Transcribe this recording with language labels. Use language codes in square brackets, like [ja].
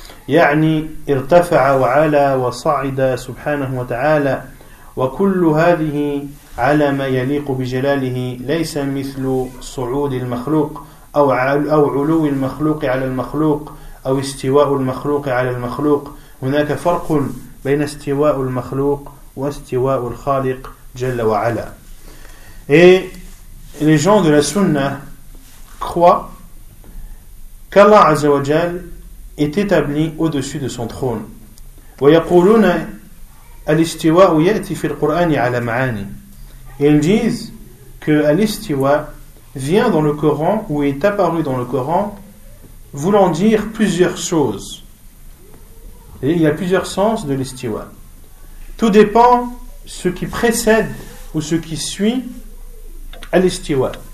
[ar] يعني ارتفع وعلى وصعد سبحانه وتعالى وكل هذه على ما يليق بجلاله ليس مثل صعود المخلوق أو علو المخلوق على المخلوق أو استواء المخلوق على المخلوق هناك فرق بين استواء المخلوق واستواء الخالق جل وعلا. [fr] Et les gens de la sunna croient qu'Allah عز وجل est établi au-dessus de son trône. [ar] ويقولون الاستواء يأتي في القرآن على معاني. [fr] Ils disent que l'istiwa vient dans le Coran ou est apparu dans le Coran voulant dire plusieurs choses. Et il y a plusieurs sens de l'istiwa. Tout dépend ce qui précède ou ce qui suit l'istiwa.